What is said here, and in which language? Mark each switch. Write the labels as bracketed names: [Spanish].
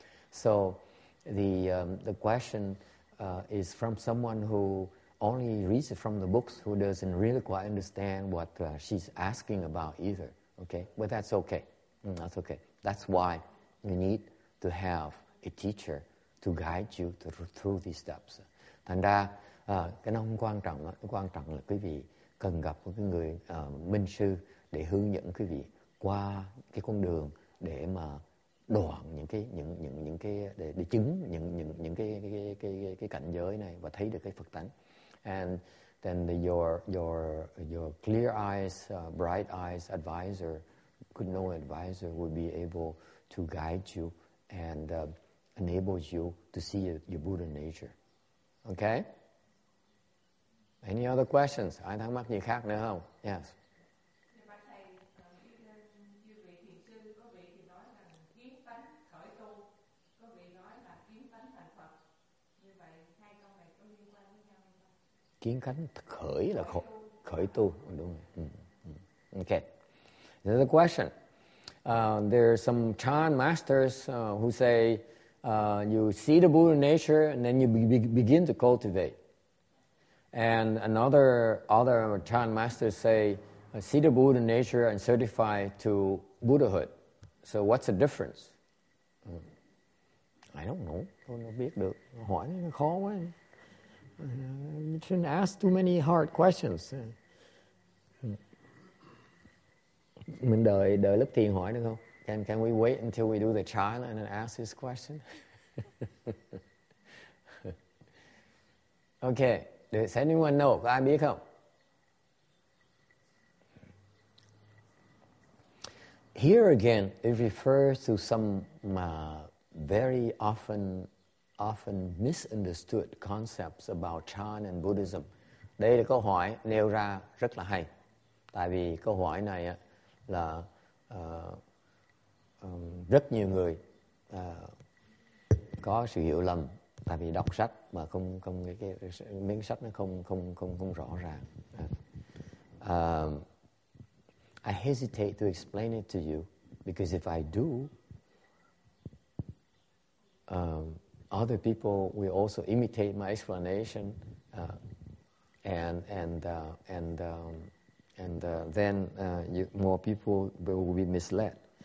[English] So the question is from someone who only reads it from the books, who doesn't really quite understand what she's asking about either. Okay, but that's okay. That's okay. That's why you need to have a teacher to guide you through these steps. [Vietnamese] Thành ra, cái nó không quan trọng. Cái quan trọng là quý vị cần gặp một cái người minh sư để hướng dẫn quý vị qua cái con đường để mà đoạn những cái cảnh giới này và thấy được cái Phật tánh. [English] And then your clear eyes, bright eyes advisor, could know advisor would be able to guide you and enable you to see your Buddha nature. Okay? Any other questions? [Vietnamese] Ai thắc mắc gì khác nữa không? Yes. Kiến cánh khởi là khởi tu. Đúng rồi. Okay. [English] Another question. There are some Chan masters who say you see the Buddha nature and then you begin to cultivate. And other Chan masters say see the Buddha nature and certify to Buddhahood. So what's the difference? I don't know. [Vietnamese] Tôi không biết được. Hỏi nó khó quá. [English] You shouldn't ask too many hard questions. [Vietnamese] Mình đợi đợi lớp thiền hỏi được không? [English] Can we wait until we do the chant and then ask this question? Okay. Does anyone know? [Vietnamese] Có ai biết không? [English] Here again, it refers to some very often misunderstood concepts about chan and Buddhism. [Vietnamese] Đây là câu hỏi nêu ra rất là hay. Tại vì câu hỏi này là rất nhiều người có sự hiểu lầm, tại vì đọc sách mà không cái miếng sách nó không rõ ràng. [English] I hesitate to explain it to you because if I do, other people will also imitate my explanation, more people will be misled.